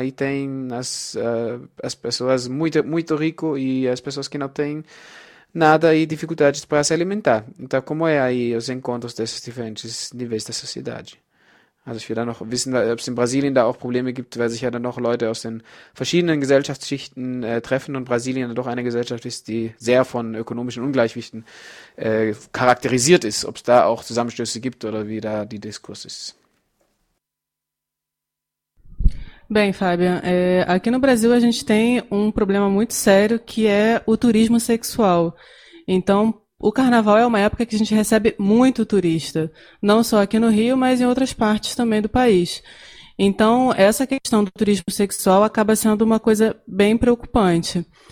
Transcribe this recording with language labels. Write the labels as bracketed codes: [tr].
[pt] Aí tem as pessoas muito, muito rico e as pessoas que não têm nada e dificuldades para se alimentar. Então, como é aí os encontros desses diferentes níveis da sociedade? [de] Also, ich will da noch wissen, ob es in Brasilien da auch Probleme gibt, weil sich ja dann noch Leute aus den verschiedenen Gesellschaftsschichten treffen und Brasilien doch eine Gesellschaft ist, die sehr von ökonomischen Ungleichgewichten charakterisiert ist, ob es da auch Zusammenstöße gibt oder wie da die Diskurs ist. [pt] Bem, Fábio, aqui no Brasil a gente tem um problema muito sério que é o turismo sexual. Então, o carnaval é uma época que a gente recebe muito turista, não só aqui no Rio, mas em outras partes também do país. Então, essa questão do turismo sexual acaba sendo uma coisa bem preocupante.